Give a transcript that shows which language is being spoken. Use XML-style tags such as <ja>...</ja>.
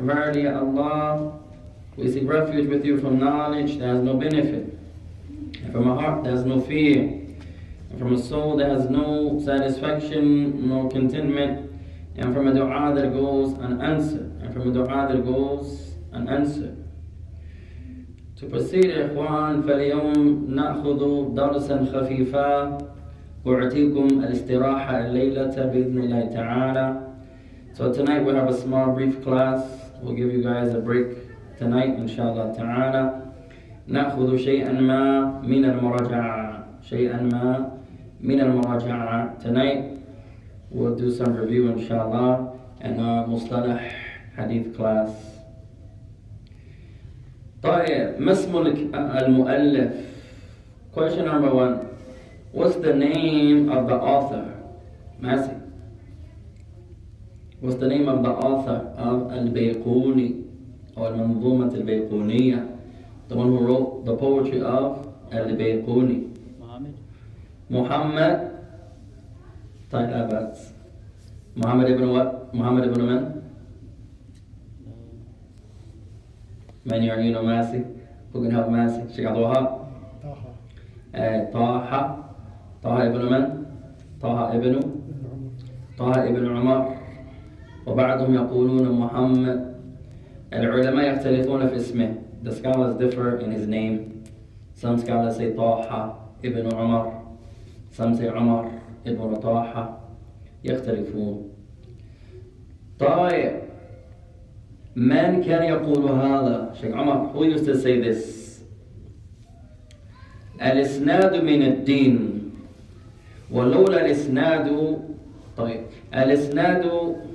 <en>Verily, ya Allah, we seek refuge with you from knowledge that has no benefit, and from a heart that has no fear, and from a soul that has no satisfaction nor contentment, and from a dua that goes unanswered, and from a dua that goes unanswered. To proceed,</en> <ar>إخوان, فاليوم نأخذ درسا خفيفا وأعطيكم الاستراحة الليلة بإذن الله تعالى.</ar> <en>So tonight we have a small brief class. We'll give you guys a break tonight, inshallah تعالى.</en> <ar>نأخذ شيئا ما من المراجعة. شيئا ما من المراجعة</ar> <en>tonight. We'll do some review, inshallah, in our Mustalah Hadith class.</en> <ar>طيب, ما اسم المؤلف?</ar> <en>Question number one. What's the name of the author? Masi. What's the name of the author of Al-Bayquni? Or Al-Manzumat Al-Bayquniyya? The one who wrote the poetry of Al-Bayquni? Muhammad. طيب, Abbas. Muhammad ibn what? Muhammad ibn man? Man, you know Masih? Who can help Masih? Shaykh Taha. Taha. Taha ibn man? Taha ibn? Taha ibn Umar.</en> <ar>وبعضهم يقولون محمد. العلماء يختلفون في اسمه.</ar> <en>The scholars differ in his name. Some scholars say Taha ibn Umar. Some say Umar ibn Taha.</en> <ar>يختلفون. طيب من كان يقول هذا شيخ عمر</ar> <en>who used to say this</en> <ar>الاسناد من الدين ولولا الاسناد طيب الاسناد</ar>